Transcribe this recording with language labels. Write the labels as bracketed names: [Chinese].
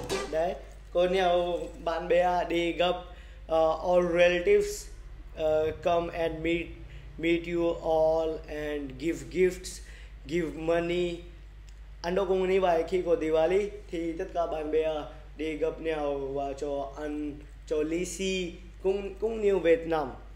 [Vietnamese] Đấy, có nhiều bạn bè đi gặp [English] all relatives. Come and meet you all and give gifts, give money. [Vietnamese] Ăn đâu cũng như vậy, khi có Diwali thì tất cả bạn bè đi gặp nhau và cho ăn cho lì xì cũng cũng như Việt Nam.